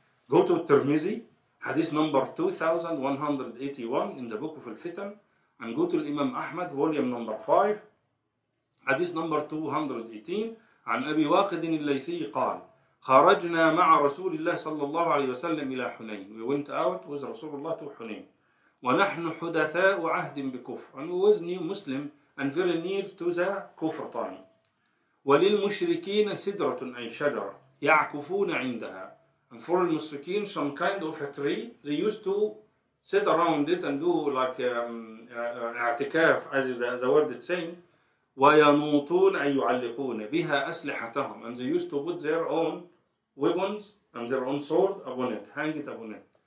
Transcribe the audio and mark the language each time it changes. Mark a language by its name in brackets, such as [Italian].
[English] Go to Tirmizi. Hadith number 2181 in the book of Al-Fitan, and go to Imam Ahmad, volume number 5, hadith number 218, [Arabic] عن أبي واقد الليثي قال خرجنا مع رسول الله صلى الله عليه وسلم إلى حنين. [English] We went out with Rasulullah to Hunain. [Arabic] ونحن حدثاء عهد بكفر. [English] And we was new Muslim and very near to the kufr time. [Arabic] وللمشركين سدرة أي شجرة يعكفون عندها. [English] And for the Mushrikeen, some kind of a tree, they used to sit around it and do like i'tikaf, as is the word it's saying. [Arabic] وَيَنُوتُونَ أَن يُعَلِّقُونَ بِهَا أَسْلِحَتَهُمْ. [English] And they used to put their own weapons and their own sword upon it, hang it upon it.